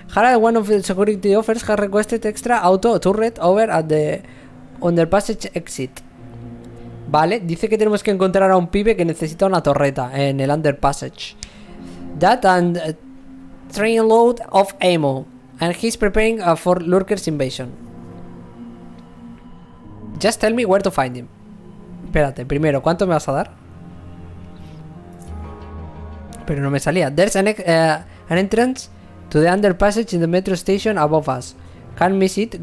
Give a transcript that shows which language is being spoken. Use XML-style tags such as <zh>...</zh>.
<en>Harald, one of the security officers, has requested extra auto turret over at the underpassage exit.</en> <es>Vale, dice que tenemos que encontrar a un pibe que necesita una torreta en el underpassage.</es> <en>That and train load of ammo, and he's preparing for lurkers invasion. Just tell me where to find him. Espérate, primero, ¿cuánto me vas a dar? Pero no me salía. There's an entrance to the underpassage in the metro station above us. Can't miss it.</en>